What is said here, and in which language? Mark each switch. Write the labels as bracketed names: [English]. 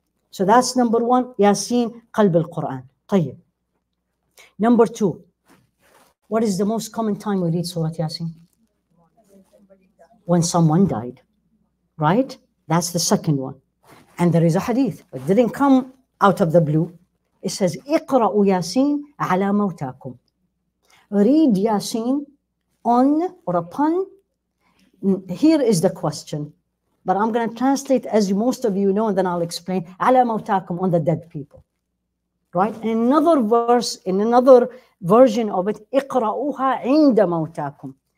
[English] So that's number one, Yasin, Qalb al-Quran. طيب. Number two, what is the most common time we read Surah Yasin? When someone died, right? That's the second one. And there is a hadith, it didn't come out of the blue. It says, [Arabic] اقرأوا ياسين على موتاكم. [English] Read Yasin on or upon. Here is the question, but I'm going to translate as most of you know, and then I'll explain. [Arabic] على موتاكم, [English] on the dead people. Right? In another verse, in another version of it, [Arabic] اقرأوها عند موتاكم.